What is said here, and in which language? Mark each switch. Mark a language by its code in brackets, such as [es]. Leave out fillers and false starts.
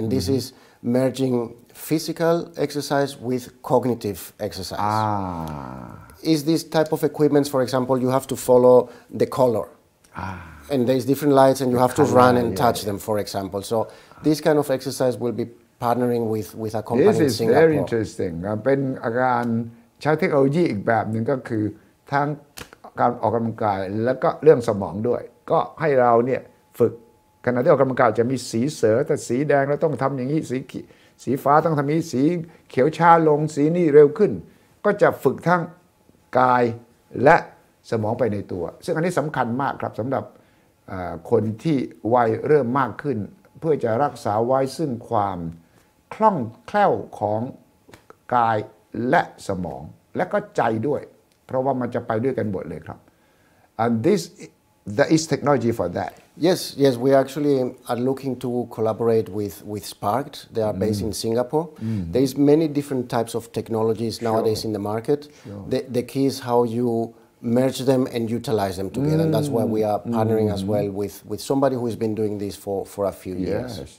[en] And this mm-hmm. is merging physical exercise with cognitive exercise. Is this type of equipment, for example, you have to follow the color. And there's different lights and you have to run and touch them, for example. So this kind of exercise will be partnering with a company in Singapore. This is very interesting. [th] เป็นการใช้เทคโนโลยีอีกแบบหนึ่งก็คือทั้งการออกกำลังกายแล้วก็เรื่องสมองด้วยก็ให้เราเนี่ยฝึกขณะที่ออกกำลังกายจะมีสีเสือแต่สีแดงเราต้องทำอย่างนี้สีฟ้าต้องทำนี้สีเขียวชาลงสีนี่เร็วขึ้นก็จะฝึกทั้งกายและสมองไปในตัวซึ่งอันนี้สำคัญมากครับสำหรับ คนที่วัยเริ่มมากขึ้นเพื่อจะรักษาไว้ซึ่งความคล่องแคล่วของกายและสมองและก็ใจด้วยเพราะว่ามันจะไปด้วยกันหมดเลยครับ [en] and thisThere is technology for that. Yes, we actually are looking to collaborate with Sparked. They are based in Singapore. Mm. There is many different types of technologies nowadays in the market. Sure. The key is how you merge them and utilize them together. And that's why we are partnering as well with somebody who has been doing this for a few years.